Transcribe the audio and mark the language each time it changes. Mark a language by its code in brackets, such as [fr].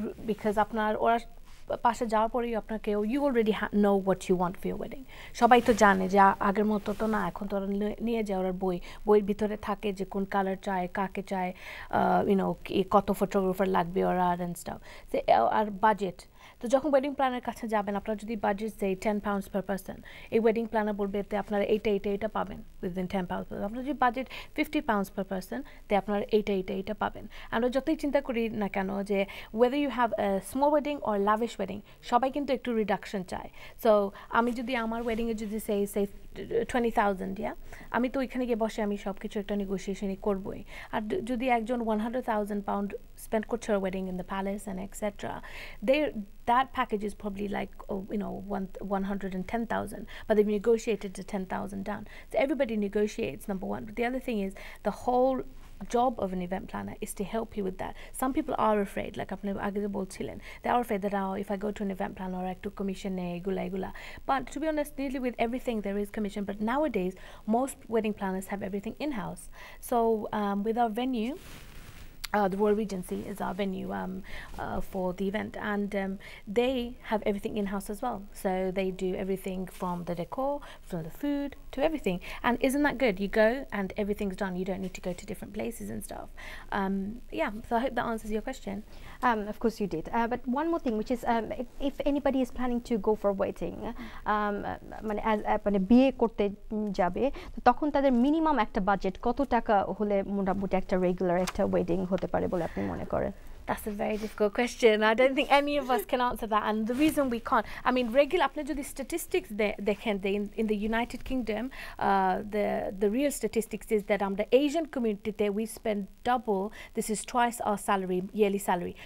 [bn] because apnar ora pashe jawar pore apnake [en] you already know what you want for your wedding, [bn] shobai to jane je ager moto to na ekhon to niye jao ar boi bhitore thake je kon color chai kake chai you know koto photographer lagbe ora and stuff, so ar budget তো যখন wedding প্ল্যানের কাছে যাবেন আপনার যদি budget সেই £10 per person, এই wedding planner বলবে তে আপনার এইটা এইটা এইটা পাবেন উইদিন £10, আপনার যদি বাজেট £50 পার পার্সন তে আপনার এইটা এইটা এইটা পাবেন। আমরা যতই চিন্তা করি না কেন যে [en] whether you have small wedding or lavish wedding, [bn] সবাই কিন্তু একটু রিডাকশন চায়। সো আমি যদি আমার ওয়েডিংয়ে যদি সেই সেই £20,000 ইয়া, আমি তো ওইখানে গিয়ে বসে আমি সব কিছু একটা নেগোসিয়েশনই করবই, আর যদি একজন £100,000 স্পেন্ড করছে [en] Wedding in the palace and etcetera, they that package is probably like you know 110,000, but they've negotiated to 10,000 down, so everybody negotiates, number one. But the other thing is the whole job of an event planner is to help you with that. Some people are afraid, like [bn] apne agere bolchilen, [en] they are afraid that if I go to an event planner or I took commission ne gula gula, but to be honest, nearly with everything there is commission, but nowadays most wedding planners have everything in house. So with our venue, the Royal Regency is our venue for the event, and they have everything in-house as well. So they do everything from the decor, from the food, to everything. And isn't that good? You go and everything's done. You don't need to go to different places and stuff. So I hope that answers your question. Of course you did. But one more thing, which is if anybody is planning to go for a wedding, [bn] মানে as মানে বিয়ে করতে যাবে, তো তখন তাদের minimum একটা budget কত টাকা হলে মোটামুটি একটা রেগুলার একটা ওয়েডিং হতে পারে বলে আপনি মনে করেন? [en] That's a very difficult question. I don't think any of us can answer that. And the reason we can't, I mean, regular, [bn] apne jodi statistics dekhen, [en] in the United Kingdom, the real statistics is that the Asian community there, we spend double, this is twice our salary, yearly salary.